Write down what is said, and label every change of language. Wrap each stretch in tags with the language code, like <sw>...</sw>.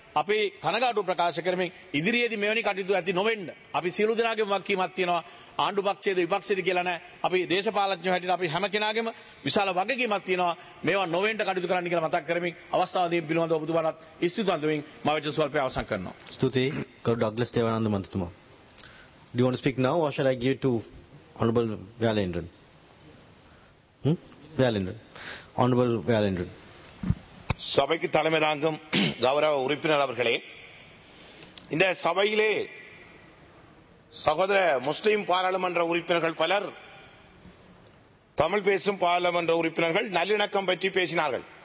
<si>අපි කනගාටු ප්‍රකාශ කරමින් ඉදිරියේදි මෙවැනි කටයුතු ඇති නොවෙන්න අපි සියලු දෙනාගේම වගකීමක් තියෙනවා. ආණ්ඩු පක්ෂයේද විපක්ෂයේද කියලා නැහැ, අපි දේශපාලඥයෝ හැටියට අපි හැම කෙනාගේම විශාල වගකීමක් තියෙනවා මේවා නොවෙන්න කටයුතු කරන්න කියලා මතක් කරමින් අවස්ථාව දී පිළිවන් ඔබතුමාට ස්තුතිවන්ත වෙමින් මා වෙත සල්පේ අවසන් කරනවා. ස්තුතියි කරු Douglas Devananda මන්ත්‍රීතුමා.</si> <en>Do you want to speak now or shall I give it to Honorable Vyalendran? Vyalendran. Honorable Vyalendran.</en> <ta>சபைக்கு தலைமை தாங்கும் கௌரவ உறுப்பினர் அவர்களே, இந்த சபையிலே சகோதர முஸ்லீம் பாராளுமன்ற உறுப்பினர்கள் பலர் தமிழ் பேசும் பாராளுமன்ற உறுப்பினர்கள் நல்லிணக்கம் பற்றி பேசினார்கள்.</ta>